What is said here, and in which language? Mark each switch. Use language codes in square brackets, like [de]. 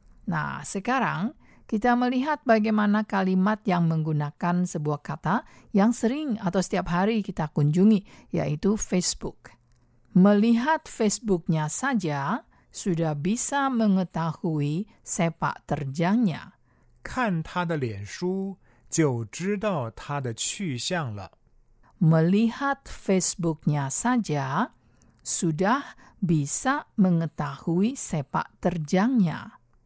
[id] Nah, sekarang kita melihat bagaimana kalimat yang menggunakan sebuah kata yang sering atau setiap hari kita kunjungi, yaitu Facebook. Melihat Facebook-nya saja sudah bisa mengetahui sepak terjangnya. [zh] 看他的脸书就知道他的去向了. [id] Melihat Facebook-nya saja sudah bisa mengetahui sepak terjangnya.